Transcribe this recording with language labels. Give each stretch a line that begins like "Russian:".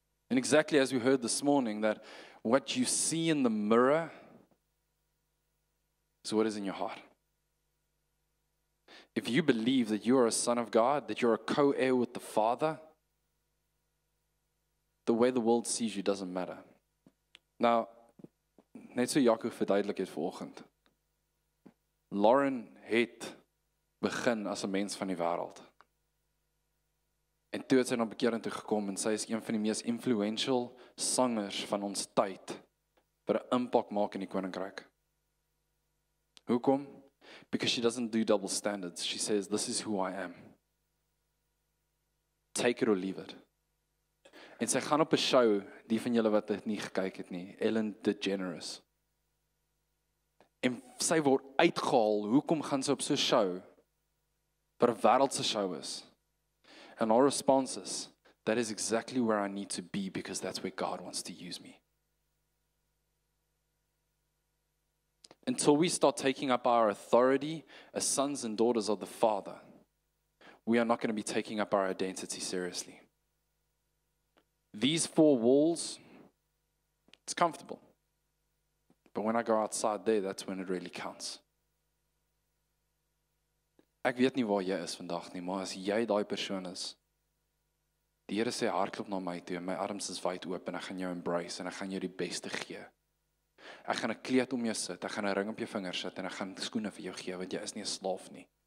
English: And exactly as we heard this morning, that what you see in the mirror is what is in your heart. If you believe that you are a son of God, that you're a co-heir with the Father, the way the world sees you doesn't matter.
Afrikaans: Nou, net so Jaco verduidelik het vanoggend. Lauren het begin as 'n mens van die wêreld. En toe het sy na bekering toe gekom en sy is een van die mees influential sangers van ons tyd wat 'n impak maak in die koninkryk. Hoekom?
English: Because she doesn't do double standards. She says, this is who I am. Take it or leave it.
Afrikaans: En sy gaan op 'n show, die van julle wat het nie gekyk het nie, Ellen DeGeneres. En sy word uitgehaal, hoekom gaan sy op so'n show, wat 'n wêreldse show is?
English: And our response is, that is exactly where I need to be, because that's where God wants to use me. Until we start taking up our authority as sons and daughters of the Father, we are not going to be taking up our identity seriously. These four walls, it's comfortable. But when I go outside there, that's when it really counts.
Afrikaans: Ek weet nie waar jy is vandag nie, maar as jy daai persoon is, die Here sê, hardloop na my toe, my arms is wyd oop en ek gaan jou embrace en ek gaan jou die beste gee. Ek gaan 'n kleed om jou sit, ek gaan 'n ring op jou vinger sit en ek gaan skoene vir jou gee, want jy is nie 'n slaaf nie.